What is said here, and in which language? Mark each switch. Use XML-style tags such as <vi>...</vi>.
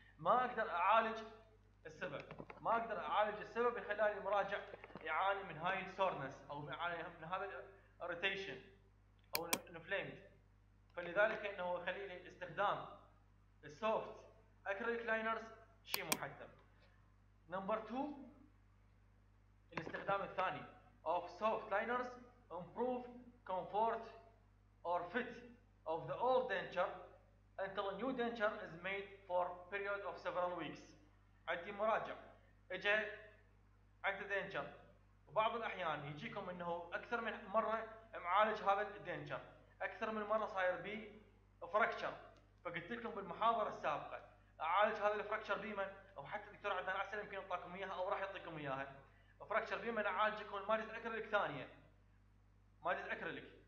<ar>ما اقدر اعالج السبب، ما اقدر اعالج السبب اللي خلاني المراجع يعاني من هاي السورنس او من هذا الروتيشن او الانفلامد. فلذلك انه خليني استخدام السوفت اكريليك لاينرز شيء محدد. نمبر 2 الاستخدام الثاني</ar> <en>of soft liners improve comfort or fit of the old denture until a new denture is made for period of several weeks.</en> <ar>عندي مراجع اجى عند دينشر، وبعض الاحيان يجيكم انه اكثر من مره معالج هذا الدينشر، اكثر من مره صاير بي فراكشر. فقلت لكم بالمحاضره السابقه اعالج هذا الفراكشر بيمن، او حتى الدكتور عدنان عسل يمكن يعطيكم اياها او راح يعطيكم اياها فراكشر بيمن، اعالج يكون ماده اكريليك ثانيه، ماده اكريليك.</ar>